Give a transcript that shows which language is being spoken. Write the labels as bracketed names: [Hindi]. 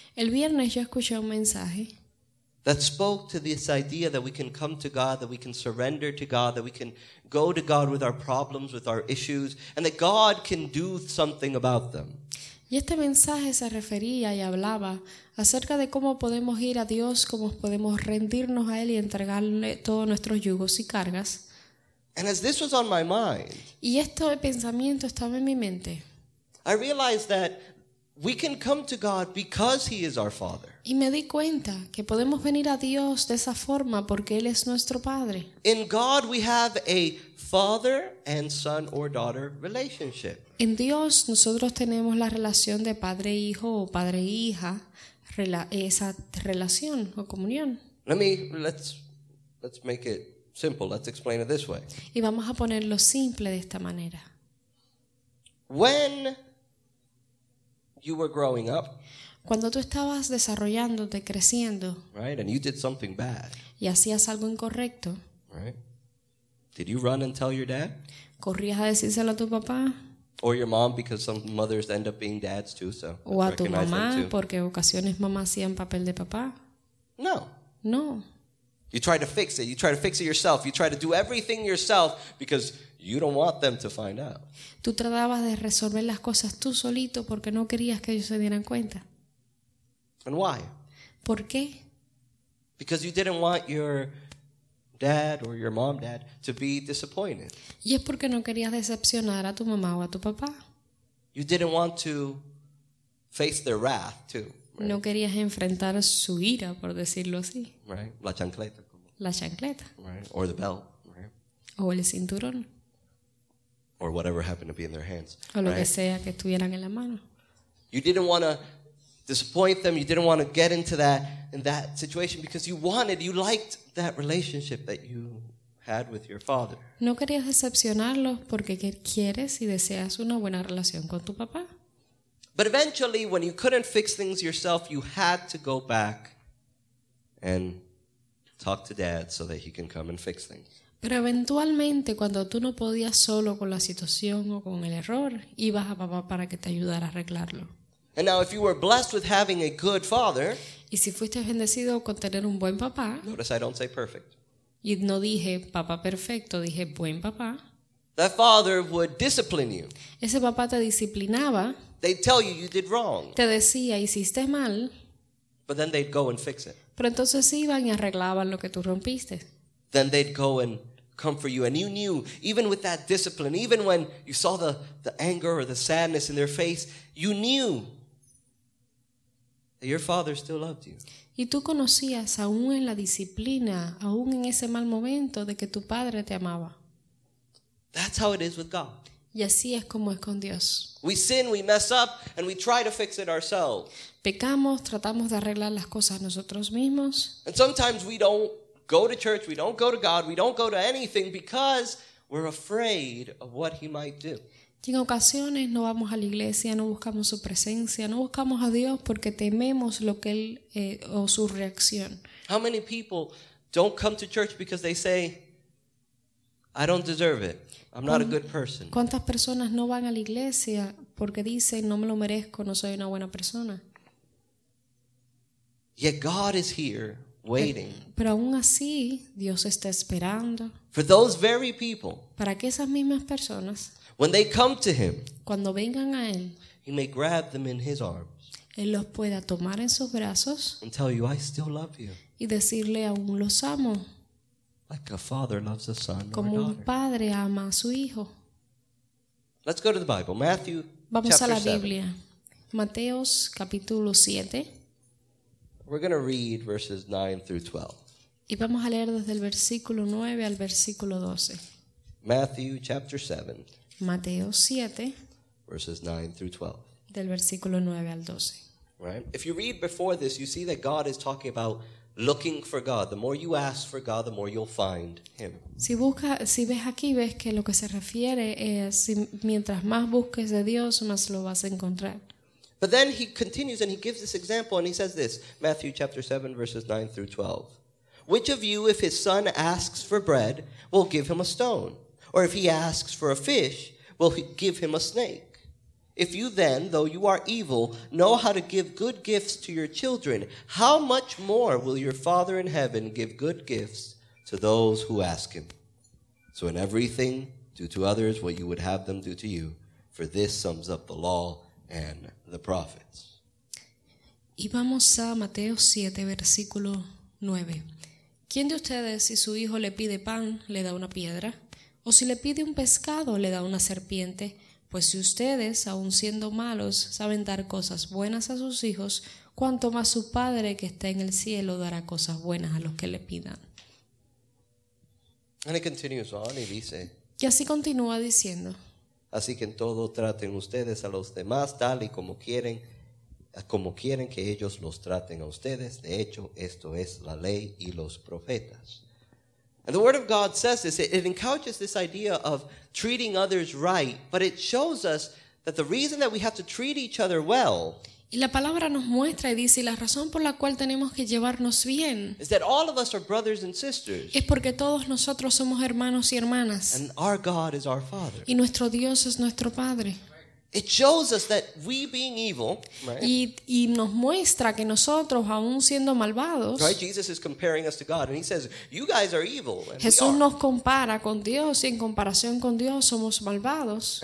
[Spanish] El viernes yo escuché un mensaje. [English] That spoke to this idea that we can come to God, that we can surrender to God, that we can go to God with our problems, with our issues, and that God can do something about them. [Spanish] Y este mensaje se refería y hablaba acerca de cómo podemos ir a Dios, cómo podemos rendirnos a Él y entregarle todos nuestros yugos y cargas. [English] And as this was on my mind, [Spanish] y este pensamiento estaba en mi mente, [English] I realized that we can come to God because He is our Father. [Spanish] Y me di cuenta que podemos venir a Dios de esa forma porque Él es nuestro Padre. [English] In God we have a father and son or daughter relationship. [Spanish] En Dios nosotros tenemos la relación de padre-hijo o padre-hija, esa relación o comunión. [English] Let's make it simple. Let's explain it this way. [Spanish] Y vamos a ponerlo simple de esta manera. [English] When you were growing up, [Spanish] cuando tú estabas desarrollándote, creciendo, [English] right, and you did something bad, [Spanish] y hacías algo incorrecto, [English] right, did you run and tell your dad? [Spanish] ¿Corrías a decírselo a tu papá? [English] Or your mom, because some mothers end up being dads too, so [Spanish] o a tu mamá, porque ocasiones mamá hacían papel de papá. [English] No. [Spanish] No. [English] You try to fix it. You try to fix it yourself. You try to do everything yourself because you don't want them to find out. [Spanish] Tú tratabas de resolver las cosas tú solito porque no querías que ellos se dieran cuenta. [English] And why? [Spanish] ¿Por qué? [English] Because you didn't want your dad or your mom dad to be disappointed. [Spanish] Y es porque no querías decepcionar a tu mamá o a tu papá. [English] You didn't want to face their wrath too. Right? [Spanish] No querías enfrentar su ira, por decirlo así. [English] Right? [Spanish] La chancleta. La chancleta. [English] Right? Or the belt. Right? [Spanish] O el cinturón. [English] Or whatever happened to be in their hands. [Spanish] O lo que sea que estuvieran en la mano. [English] You didn't want to disappoint them. You didn't want to get into that in that situation because you liked that relationship that you had with your father. [Spanish] No querías decepcionarlos porque quieres y deseas una buena relación con tu papá. [English] But eventually, when you couldn't fix things yourself, you had to go back and talk to dad so that he can come and fix things. [Spanish] Pero eventualmente, cuando tú no podías solo con la situación o con el error, ibas a papá para que te ayudara a arreglarlo. [English] And now, if you were blessed with having a good father, [Spanish] y si fuiste bendecido con tener un buen papá, [English] notice I don't say perfect. [Spanish] Y no dije papá perfecto, dije buen papá. [English] That father would discipline you. [Spanish] Ese papá te disciplinaba. [English] They'd tell you did wrong. [Spanish] Te decía hiciste mal. [English] But then they'd go and fix it. [Spanish] Pero entonces iban y arreglaban lo que tú rompiste. [English] Then they'd go and comfort you, and you knew, even with that discipline, even when you saw the anger or the sadness in their face, you knew that your father still loved you. [Spanish] Y tú conocías, aún en la disciplina, aún en ese mal momento, de que tu padre te amaba. [English] That's how it is with God. [Spanish] Y así es como es con Dios. [English] We sin, we mess up, and we try to fix it ourselves. [Spanish] Pecamos, tratamos de arreglar las cosas nosotros mismos. [English] And sometimes we don't go to church, we don't go to God, we don't go to anything because we're afraid of what He might do. [Spanish] Y en ocasiones no vamos a la iglesia, no buscamos su presencia, no buscamos a Dios porque tememos lo que Él o su reacción. [English] How many people don't come to church because they say, I don't deserve it, I'm not a good person? [Spanish] ¿Cuántas personas no van a la iglesia porque dicen, no me lo merezco, no soy una buena persona? [English] Yet God is here waiting. [Spanish] Pero aún así, Dios está esperando. [English] For those very people. [Spanish] Para que esas mismas personas. [English] When they come to Him. [Spanish] Cuando vengan a Él. [English] He may grab them in His arms. [Spanish] Él los pueda tomar en sus brazos. [English] And tell you, I still love you. [Spanish] Y decirle, aún los amo. [English] Like a father loves a son. [Spanish] Como [English] or a daughter. [Spanish] Un padre ama a su hijo. [English] Let's go to the Bible. Matthew. [Spanish] Vamos a la Biblia. Mateos capítulo 7. [English] We're going to read verses 9 through 12. [Spanish] Y vamos a leer desde el versículo 9 al versículo 12. [English] Matthew chapter 7. [Spanish] Mateo 7. [English] Verses 9 through 12. [Spanish] Del versículo 9 al 12. [English] Right? If you read before this, you see that God is talking about looking for God. The more you ask for God, the more you'll find Him. [Spanish] Si ves aquí, ves que lo que se refiere es si mientras más busques de Dios, más lo vas a encontrar. [English] But then he continues and he gives this example and he says this, Matthew chapter 7 verses 9 through 12. Which of you, if his son asks for bread, will give him a stone? Or if he asks for a fish, will he give him a snake? If you then, though you are evil, know how to give good gifts to your children, how much more will your Father in heaven give good gifts to those who ask him? So in everything, do to others what you would have them do to you, for this sums up the law and the prophets. [Spanish] Y vamos a Mateo 7, versículo 9. ¿Quién de ustedes, si su hijo le pide pan, le da una piedra? ¿O si le pide un pescado, le da una serpiente? Pues si ustedes, aun siendo malos, saben dar cosas buenas a sus hijos, ¿cuánto más su Padre que está en el cielo dará cosas buenas a los que le pidan? [English] And it continues on, [Spanish] y dice, y así continúa diciendo, así que en todo traten ustedes a los demás tal y como quieren, como quieren que ellos los traten a ustedes. De hecho, esto es la ley y los profetas. [English] And the word of God says this, it encouches this idea of treating others right, but it shows us that the reason that we have to treat each other well, [Spanish] y la palabra nos muestra y dice, y la razón por la cual tenemos que llevarnos bien, [English] is that all of us are brothers and sisters, [Spanish] es porque todos nosotros somos hermanos y hermanas, [English] and our God is our Father, [Spanish] y nuestro Dios es nuestro Padre. [English] It shows us that we being evil, right? [Spanish] Y nos muestra que nosotros, aun siendo malvados, [English] right? Jesus is comparing us to God, and he says, "You guys are evil." And [Spanish] Jesús nos compara con Dios, y en comparación con Dios somos malvados.